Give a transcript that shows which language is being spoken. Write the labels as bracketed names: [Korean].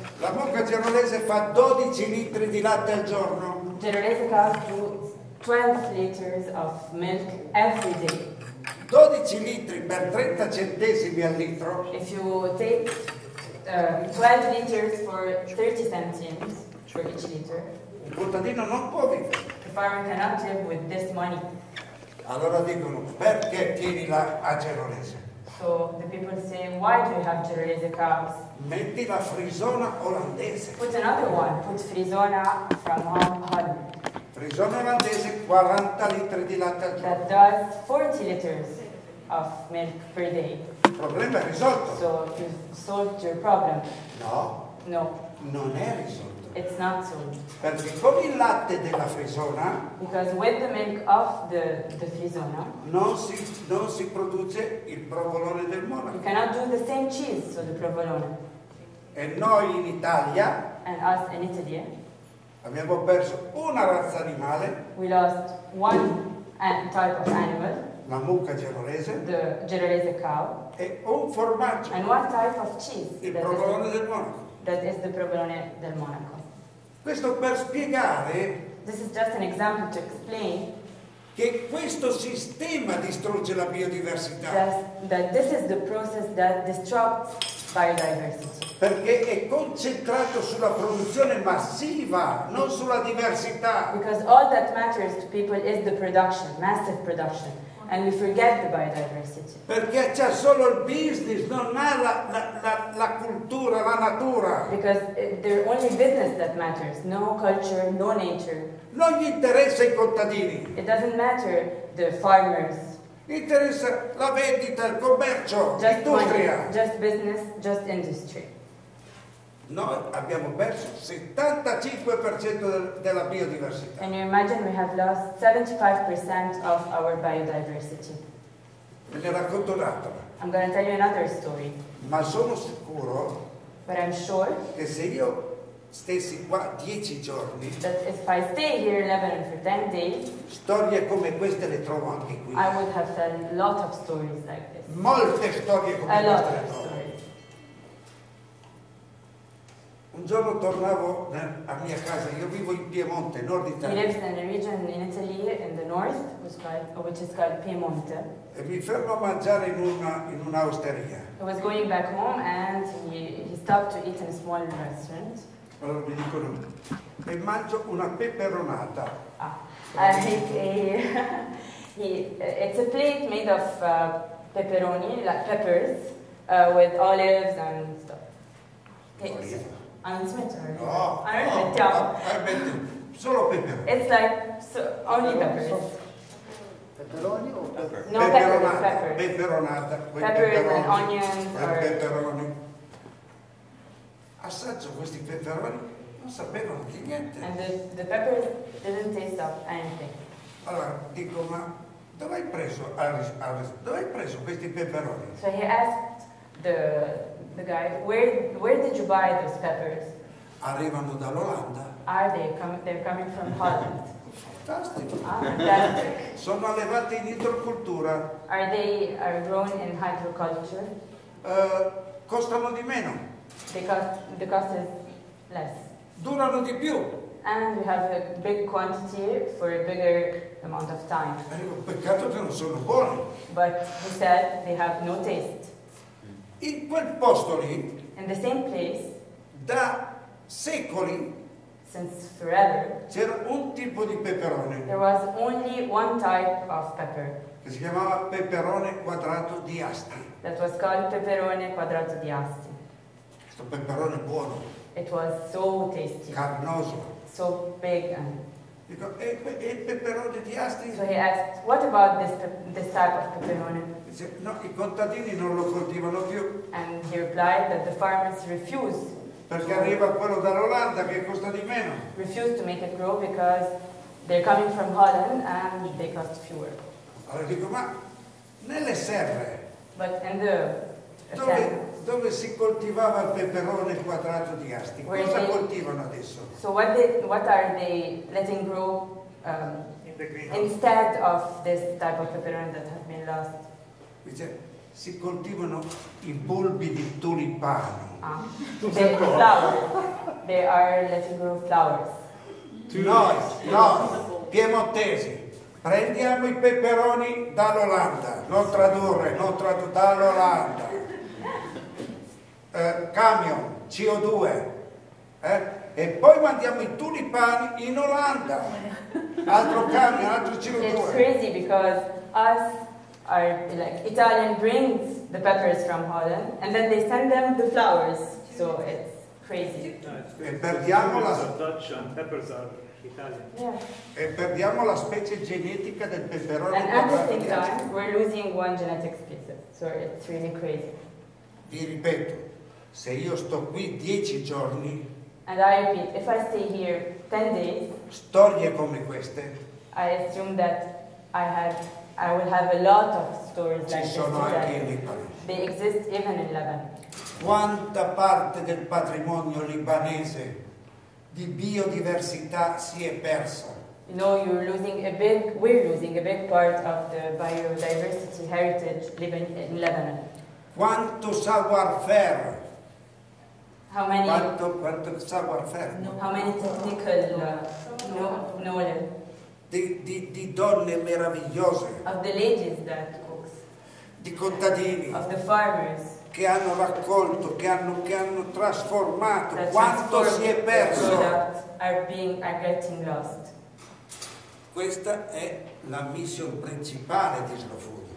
[Italian] La mucca gerolese fa 12 litri di latte al giorno. [English] Gerolese cows do 12 liters of milk every day. [Italian] 12 litri per 30 centesimi al litro. [English] If you take 12 liters for 30 centimes for each liter. [Italian] Il contadino non può vivere. [English] The farmer cannot live with this money. [Italian] Allora dicono, perché tieni la a gerolese? [English] So the people say, why do you have gerolese cows? [Italian] Metti la frisona olandese. [English] Put another one. Put frisona from Holland. [Italian] Frisona olandese, 40 litri di latte al giorno. [English] That does 40 liters of milk per day. [Italian] Problema risolto. [English] So you solved your problem. [Italian] No. [English] No. [Italian] Non è risolto. [English] It's not solved. [Italian] Perché con il latte della frisona. [English] Because with the milk of the frisona. [Italian] Non si produce il provolone del Monaco. [English] You cannot do the same cheese, so the provolone. [Italian] E noi in Italia. [English] And us in Italy. [Italian] Abbiamo perso una razza animale. [English] We lost one type of animal. [Italian] La mucca gerolese. [English] The gerolese cow. [Italian] E un formaggio. [English] And one type of cheese. [Italian] Il provolone del Monaco. [English] That is the provolone del Monaco. [Italian] Questo per spiegare. [English] This is just an example to explain. [Italian] Che questo sistema distrugge la biodiversità. [English] That this is the process that disrupts biodiversity. [Italian] Perché è concentrato sulla produzione massiva, non sulla diversità. [English] Because all that matters to people is the production, massive production. And we forget the biodiversity. [Italian] Perché c'è solo il business, non ha la cultura, la natura. [English] Because there's only business that matters, no culture, no nature. [Italian] Non gli interessa i contadini. [English] It doesn't matter the farmers. [Italian] Interessa la vendita, il commercio, l'industria. [English] Just business, just industry. [Italian] Noi abbiamo perso 75% della biodiversità. [English] Can you imagine we have lost 75% of our biodiversity? [Italian] Ve ne racconto un'altra. [English] I'm going to tell you another story. [Italian] Ma sono sicuro. [English] But I'm sure. [Italian] Che se io stessi qua 10 giorni. [English] That if I stay here 11 for 10 days. [Italian] Storie come queste le trovo anche qui. [English] I would have a lot of stories like this. [Italian] Molte storie come [English] a [Italian] queste [English] lot [Italian] le trovo. Un giorno tornavo a mia casa, io vivo in Piemonte, nord Italia. [English] He lives in a region in Italy, in the north, which is called Piemonte. [Italian] E mi fermo a mangiare in una osteria. [English] I was going back home and he stopped to eat in a small restaurant. [Italian] Allora mi dicono, e mangio una peperonata. [English] It's a plate made of pepperoni, like peppers, with olives and stuff. [Italian] Olive. Solo peperoni. [English] It's like only peppers. Pepperoni o pepper? [Italian] No, peperonata. Peperonata. Peperoni. Assaggio questi peperoni, non sapevano di niente. [English] And the pepper didn't taste of anything. [Italian] Allora dico, ma Dove hai preso questi peperoni? [English] So he asked the guy, where did you buy those peppers? [Italian] Arrivano dall'Olanda. [English] Are they coming? They're coming from Holland. [Italian] Fantastico. [English] Fantastic. [Italian] Sono allevati in idrocultura. [English] Are they grown in hydroculture? [Italian] Costano di meno. [English] The cost is less. [Italian] Durano di più. [English] And we have a big quantity for a bigger amount of time. [Italian] Peccato che non sono buoni. [English] But he said they have no taste. [Italian] In quel posto lì. [English] In the same place. [Italian] Da secoli. [English] Since forever. [Italian] C'era un tipo di peperone. [English] There was only one type of pepper. [Italian] Che si chiamava peperone quadrato di Asti. [English] That was called peperone quadrato di Asti. [Italian] Questo peperone buono. [English] It was so tasty. [Italian] Carnoso. [English] So big and. [Italian] Dico, e il peperone di Asti? [English] So he asked, what about this type of peperone? [Italian] Dice, no, i contadini non lo coltivano più. [English] And he replied that the farmers refused. [Italian] Perché arriva quello dall'Olanda che costa di meno. [English] Refused to make it grow because they're coming from Holland and they cost fewer. [Italian] Allora dico, ma nelle serre. [English] But in the [Italian] dove si coltivava il peperone quadrato di Asti? [English] Where [Italian] cosa coltivano adesso? [English] So what are they letting grow in the greenhouse instead of this type of peperone that has been lost? Dice, si coltivano i bulbi di tulipano. Ah, the flowers. They are letting grow flowers. [Italian] No, piemontesi. Prendiamo i peperoni dall'Olanda. Non tradurre, dall'Olanda. Camion, CO2, e poi mandiamo i tulipani in Olanda, altro camion, altro CO2. [English] It's crazy because us are like Italian brings the peppers from Holland and then they send them the flowers, so it's crazy. [Italian] E perdiamo la [English] Dutch and peppers are Italian. Yeah. [Italian] E perdiamo la specie genetica del peperone. [English] And at the same time, we're losing one genetic species, so it's really crazy. [Italian] Vi ripeto. Se io sto qui 10 giorni, [English] and I repeat, if I stay here 10 days, [Italian] storie come queste, [English] I assume that I will have a lot of stories like this. [Italian] Ci sono anche in Libano. [English] They exist even in Lebanon. [Italian] Quanta parte del patrimonio libanese di biodiversità si è persa? [English] You know, you're losing a big. We're losing a big part of the biodiversity heritage in Lebanon. [Italian] Quanto savoir-faire? [English] How many? [Italian] Quanto savoir-faire? [English] No. How many technical knowledge? [Italian] Di donne meravigliose. [English] Of the ladies that cooks. [Italian] Di contadini. [English] Of the farmers. [Italian] Che hanno raccolto, che hanno trasformato. Quanto si è perso? [English] Are getting lost. [Italian] Questa è la missione principale di Slow Food.